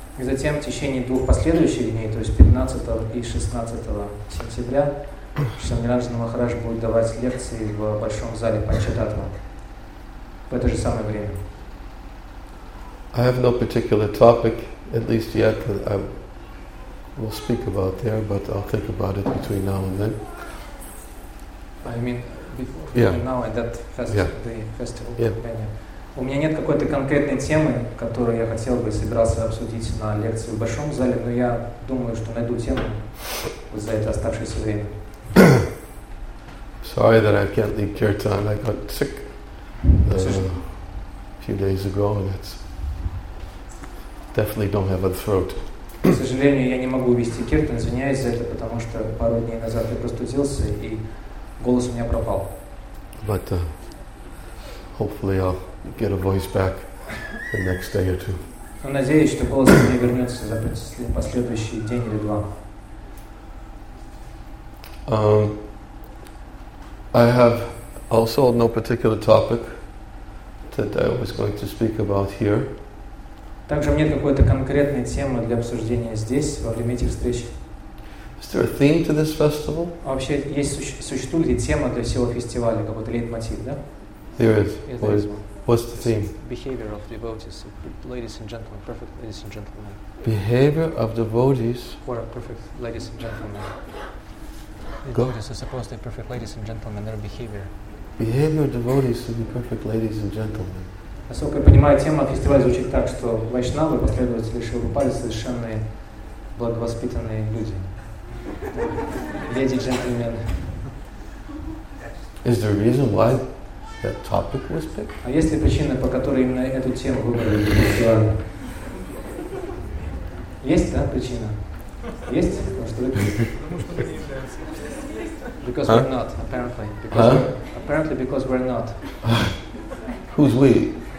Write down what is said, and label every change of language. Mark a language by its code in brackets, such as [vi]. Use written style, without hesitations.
[ru] И затем в течение 2 последующих дней, то есть 15 и 16 сентября, Шамиранджана Махарадж будет давать лекции в большом зале Панчататва в это же самое время. [en] I have no particular topic, at least yet, that I will speak about there, but I'll think about it between now and then. I mean, before now and that festival. [ru] У меня нет какой-то конкретной темы, которую я хотел бы собираться обсудить на лекции в большом зале, но я думаю, что найду тему за это оставшееся время. [en] Sorry that I can't leave kirtan. I got sick a few days ago, and it's definitely don't have a throat. [ru] К сожалению, я не могу вести киртан. Извиняюсь за это, потому что пару дней назад я простудился и голос у меня пропал. [en] But hopefully I'll get a voice back the next day or two. [ru] Но надеюсь, что голос мне вернется за последующий день или два. [en] I have also no particular topic that I was going to speak about here. [ru] Также нет какой-то конкретной темы для обсуждения здесь во время этих встреч. [en] Is there a theme to this festival? [ru] А вообще есть существует ли тема для всего фестиваля, какой-то лейтмотив, да? [en] There is. What's the theme? Behavior of devotees, ladies and gentlemen, perfect ladies and gentlemen. Behavior of devotees. For a perfect ladies and gentlemen. Devotees are supposed to be perfect ladies and gentlemen, their behavior. Behavior of devotees to be perfect ladies and gentlemen. [ru] Насколько я понимаю, тема фестиваля звучит так, что вайшнавы, последователи Шрилупады, совершенно благовоспитанные люди. Леди и джентльмены. [en] Is there a reason why that topic was picked? [ru] А есть ли причина, по которой именно эту тему выбрали? Есть, да, причина? Есть? Потому что вы... [en] Because we're not, apparently. Because we're not. Who's we?